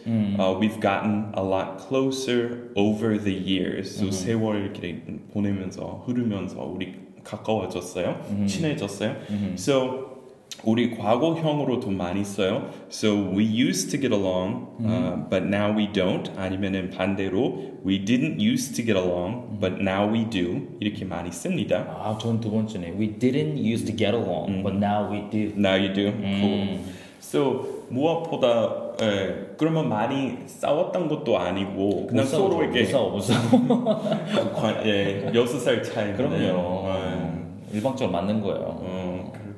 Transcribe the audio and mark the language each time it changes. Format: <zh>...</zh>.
<en>We've gotten a lot closer over the years. So</en> <ko>세월을 보내면서 흐르면서 우리 가까워졌어요. 친해졌어요.</ko> <en>So</en> <ko>우리 과거형으로도 많이 써요.</ko> <en>So we used to get along, but now we don't. 아니면은 반대로 we didn't used to get along, but now we do.</en> <ko>이렇게 많이 씁니다. 아, 저는 두 번째네.</ko> <en>We didn't used to get along, but now we do. Now you do. Cool. So</en> <ko>무엇보다 에, 그러면 많이 싸웠던 것도 아니고 그냥 싸워, 서로에게 무서워 예, 여섯 살 차이 그럼요 일방적으로 맞는 거예요</ko>